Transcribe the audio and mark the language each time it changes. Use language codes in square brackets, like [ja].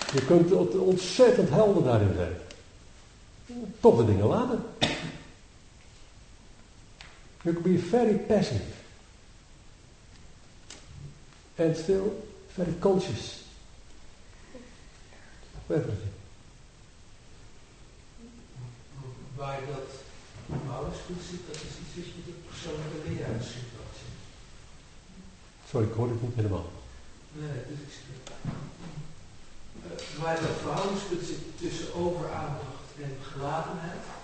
[nl] Je kunt ontzettend helder daarin zijn. Toffe dingen laten. [en] You can be very passive and still very conscious of everything. [nl] Waar dat alles goed zit, dat is iets wat je de persoonlijke leeringssituatie. Sorry, ik hoor het niet helemaal. Nee, dus ik zit. Waar dat verhoudingspunt zit tussen overaandacht en gelatenheid.